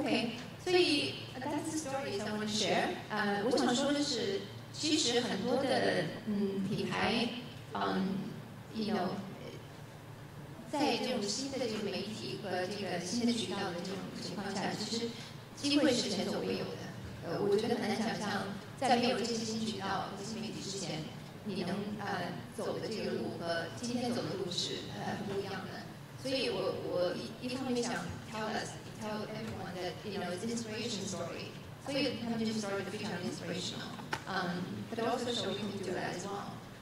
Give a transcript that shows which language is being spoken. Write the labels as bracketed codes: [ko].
[en] Okay, so that's the story I want to share. [zh] 我想说的是，其实很多的品牌，you know, 在这种新的这个媒体和这个新的渠道的这种情况下，其实机会是前所未有的。我觉得很难想象，在没有这些新渠道、这些媒体之前，你能走的这个路和今天走的路是不一样的。所以我一方面想 [en] tell everyone that you know it's an inspiration story, [zh] 所以他们这些 [en] story [zh] 都非常 [en] inspirational, but also show we can do that as well.